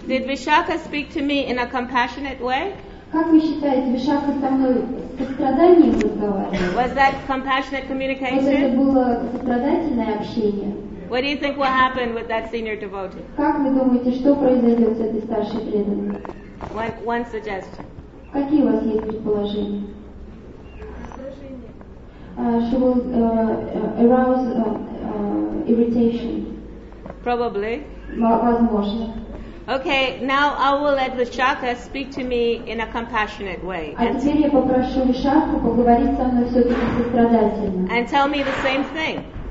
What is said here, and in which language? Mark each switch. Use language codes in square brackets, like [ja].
[en] Did Vishakha speak to me in a compassionate way? [ru] Как вы считаете, Вишакха со мной состраданием разговаривала? [en] Was that compassionate communication? [ru] Это было сострадательное общение? [en] What do you think will happen with that senior devotee? [ru] Как вы думаете, что произойдет с этой старшей преданной? [en] One suggestion. [ru] Какие у вас есть предположения? [en] She will arouse irritation. Probably. [ru] Возможно. [en] Okay, now I will let Vishakha speak to me in a compassionate way. And tell me the same thing.